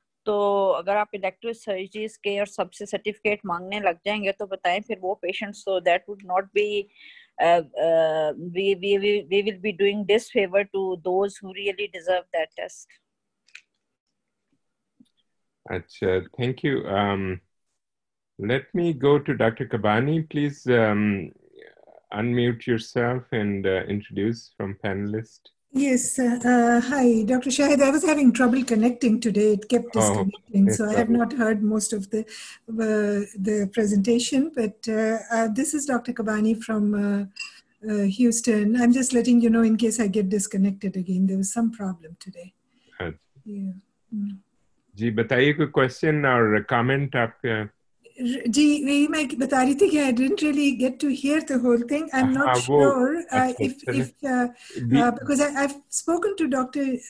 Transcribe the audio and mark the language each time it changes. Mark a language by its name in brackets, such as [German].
[Hindi] तो अगर आप इलेक्टिव सर्जरीज के और सबसे सर्टिफिकेट मांगने लग जाएंगे तो बताएं फिर वो patients, [English] So that would not be we will be doing this favour to those who really deserve that test. अच्छा, thank you. Let me go to doctor Kabani. Please unmute yourself and introduce from panelist. Yes, hi, Dr. Shahid. I was having trouble connecting today. It kept disconnecting, so I have not heard most of the presentation. But this is Dr. Kabani from Houston. I'm just letting you know in case I get disconnected again. There was some problem today. Yeah. [Hindi] जी बताइए कोई question और comment आपके जी वही मैं बता रही थी कि [English] I didn't really get to hear the whole thing. I'm not sure because I've spoken to Dr.